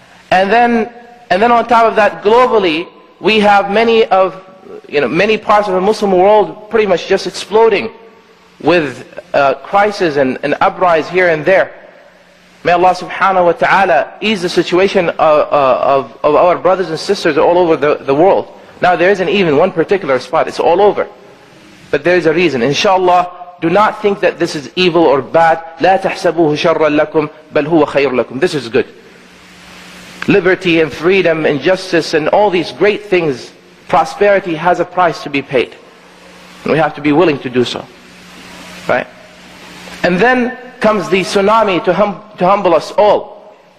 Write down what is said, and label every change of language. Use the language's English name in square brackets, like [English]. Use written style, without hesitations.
[English] And then on top of that, globally, we have many of, you know, many parts of the Muslim world pretty much just exploding with crisis and uprise here and there. May Allah subhanahu wa ta'ala ease the situation of our brothers and sisters all over the world. Now there isn't even one particular spot, it's all over. But there is a reason. Inshallah, do not think that this is evil or bad. [Arabic] لا تحسبوه شرا لكم بل هو خير لكم. [English] This is good. Liberty and freedom and justice and all these great things, prosperity has a price to be paid. We have to be willing to do so. Right? And then comes the tsunami to humble us all.